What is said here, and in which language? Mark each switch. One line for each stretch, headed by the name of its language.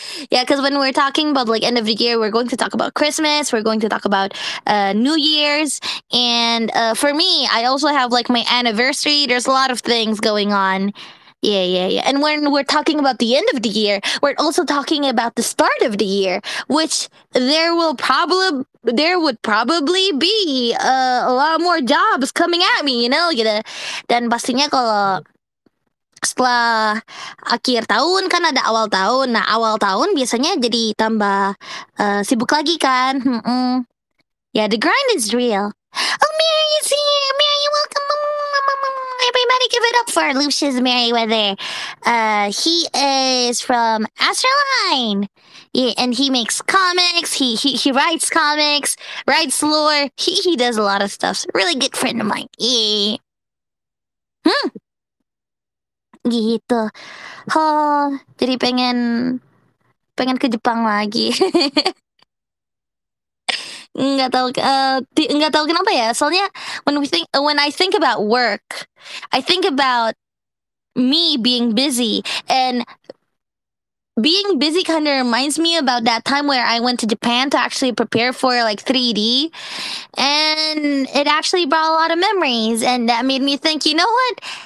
English: Yeah, because when we're talking about like end of the year, we're going to talk about Christmas, we're going to talk about New Year's, and for me, I also have like my anniversary. There's a lot of things going on. And when we're talking about the end of the year, we're also talking about the start of the year, which there would probably be a lot more jobs coming at me, you know, gitu.
Indonesian: Dan pastinya kalau setelah akhir tahun kan ada awal tahun. Nah, awal tahun biasanya jadi tambah sibuk lagi kan.
English: Yeah, the grind is real. Oh, Mary is here. Mary, welcome. Everybody give it up for Lucius Merriweather. He is from Astroline. Yeah, and he makes comics. He writes comics, writes lore. He does a lot of stuff. So really good friend of mine. Yeah. Gitu.
Indonesian: Oh, jadi pengen pengen ke Jepang lagi. Nggak tahu kenapa ya.
English: Soalnya when I think about work, I think about me being busy, and being busy kind of reminds me about that time where I went to Japan to actually prepare for like 3D, and it actually brought a lot of memories, and that made me think, you know what?